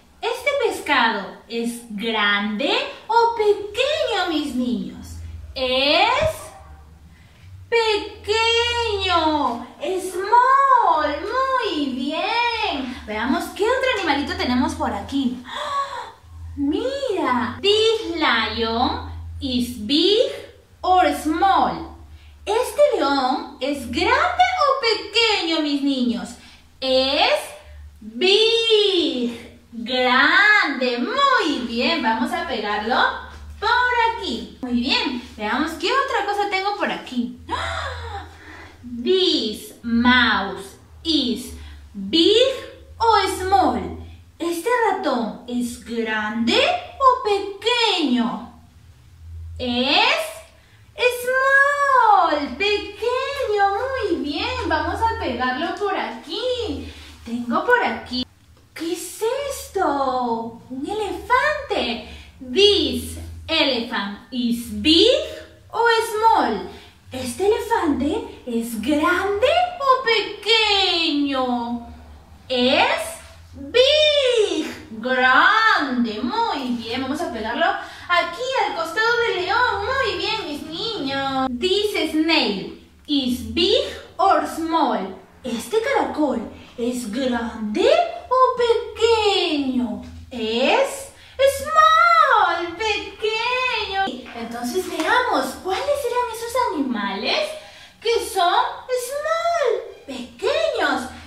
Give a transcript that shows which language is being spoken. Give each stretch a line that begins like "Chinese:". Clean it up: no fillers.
Spanish: ¿Este pescado es grande o pequeño, mis niños? Es pequeño, small, muy bien. Veamos qué otro animalito tenemos por aquí.
English: Mira, this lion is big or small.
Spanish: ¿Este león es grande o pequeño, mis niños? Es big, grande, muy bien. Vamos a pegarlo por aquí. Muy bien, veamos qué otra cosa tengo por aquí.
English: This mouse is big o small.
Spanish: ¿Este ratón es grande o pequeño? Es small, pequeño, muy bien. Vamos a pegarlo por aquí. Tengo por aquí, ¿qué es esto? Un elefante.
English: This elephant is big o small.
Spanish: ¿Este elefante es grande o pequeño? Es big, grande. Muy bien, vamos a pegarlo aquí al costado del león. Muy bien, mis niños.
English: This snail is big or small.
Spanish: ¿Este caracol es grande o pequeño? Es small, pequeño. Entonces veamos, ¿cuáles eran esos animales que son small, pequeños?